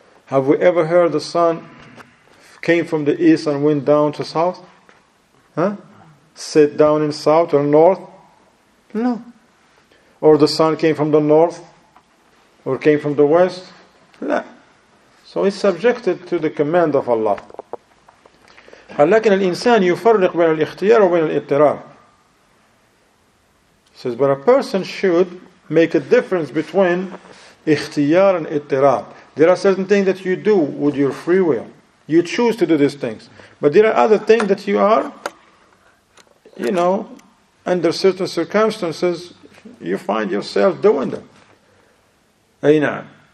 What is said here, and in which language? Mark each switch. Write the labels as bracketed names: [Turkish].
[English] Have we ever heard the sun came from the east and went down to south? Huh? Sit down in south or north? No. Or the sun came from the north? Or came from the west? No. So it's subjected to the command of Allah. [Arabic] لكن الإنسان يفرق بين الاختيار وبين الاضطرار. [English] Says, but a person should make a difference between اختيار and اضطرار. There are certain things that you do with your free will. You choose to do these things. But there are other things that you are, you know, under certain circumstances, you find yourself doing them. Aina.